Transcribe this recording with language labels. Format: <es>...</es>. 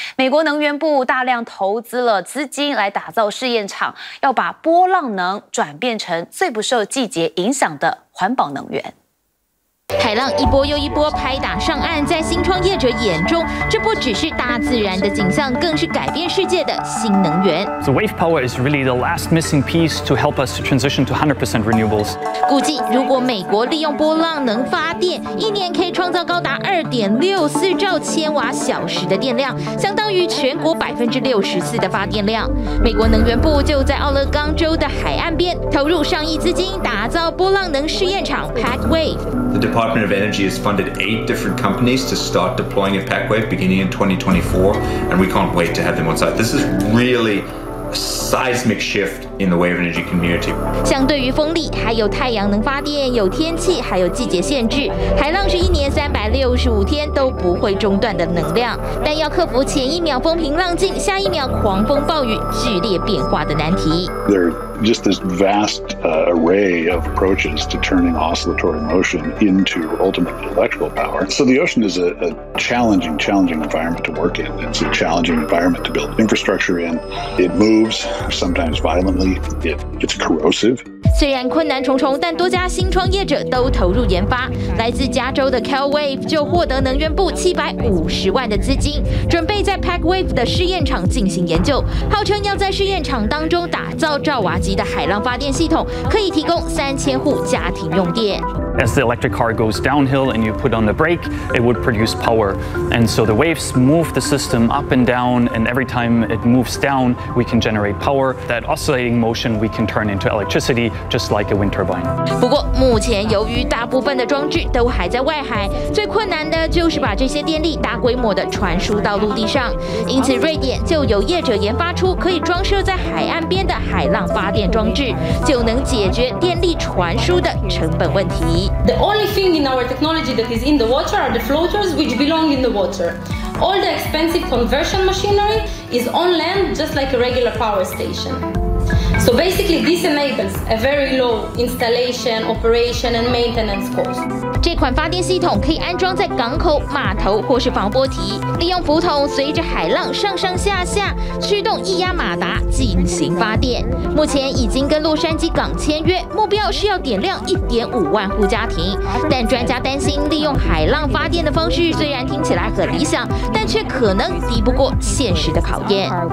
<zh>美国能源部大量投资了资金来打造试验场，要把波浪能转变成最不受季节影响的环保能源。海浪一波又一波拍打上岸，在新创业者眼中，这不只是大自然的景象，更是改变世界的新能源。</zh> <en>So wave power is really the last missing piece to help us transition to 100% renewables.</en> <zh>估计如果美国利用波浪能发电，一年可以创造高达2.64兆千瓦小时的电量，相当于全国64%的发电量。美国能源部就在奥勒冈州的海岸边投入上亿资金，打造波浪能试验场 Pack Wave。</zh> <en>The Department of Energy has funded 8 different companies to start deploying a PackWave beginning in 2024, and we can't wait to have them on site. This is really a seismic shift in the wave energy community.</en> <zh>相对于风力，还有太阳能发电，有天气，还有季节限制，海浪是一年365天都不会中断的能量，但要克服前一秒风平浪静，下一秒狂风暴雨剧烈变化的难题。</zh> <en>Just this vast array of approaches to turning oscillatory motion into ultimately electrical power. So the ocean is a challenging environment to work in. It's a challenging environment to build infrastructure in. It moves sometimes violently. It's corrosive.</en> <zh>虽然困难重重，但多家新创业者都投入研发。来自加州的 CalWave 就获得能源部750万的资金，准备在 PackWave 的试验场进行研究，号称要在试验场当中打造兆瓦级的海浪发电系统，可以提供3000户家庭用电。</zh> <en>As the electric car goes downhill and you put on the brake, it would produce power. And so the waves move the system up and down, and every time it moves down, we can generate power. That oscillating motion we can turn into electricity, just like a wind turbine.</en> <zh>不过目前由于大部分的装置都还在外海，最困难的就是把这些电力大规模的传输到陆地上。因此瑞典就有业者研发出可以装设在海岸边的海浪发电装置，就能解决电力传输的成本问题。</zh> <en>The only thing in our technology that is in the water are the floaters which belong in the water. All the expensive conversion machinery is on land just like a regular power station. So basically, this enables a very low installation, operation, and maintenance cost.</en> <zh>这款发电系统可以安装在港口、码头或是防波堤，利用浮筒随着海浪上上下下，驱动液压马达进行发电。目前已经跟洛杉矶港签约，目标是要点亮1.5万户家庭。但专家担心，利用海浪发电的方式虽然听起来很理想，但却可能敌不过现实的考验。</zh>